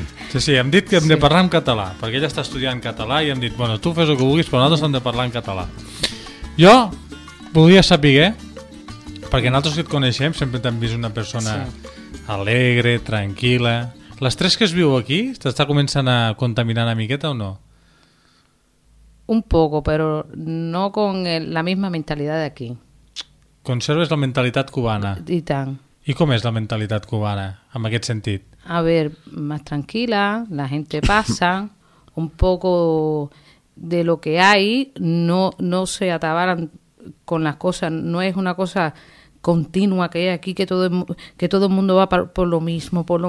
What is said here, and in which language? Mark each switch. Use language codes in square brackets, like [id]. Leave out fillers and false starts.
[ca] Sí, sí, hem dit que hem de parlar en català, perquè ella està estudiant català i hem dit, bueno, tu fes el que vulguis, però nosaltres hem de parlar en català. Jo volia saber, perquè nosaltres que et coneixem, sempre t'hem vist una persona alegre, tranquil·la. L'estrès que es viu aquí t'està començant a contaminar una miqueta o no? [es] Un poco, [ca] però [es] no con la misma mentalidad de aquí. [ca] Conserves la mentalitat cubana. I tant. I com és la mentalitat cubana, en aquest sentit? [es] A ver, más tranquila, la gente pasa, un poco de lo que hay, no se atabalan con las cosas, no es una cosa continua que hay aquí, que todo el mundo va por lo mismo,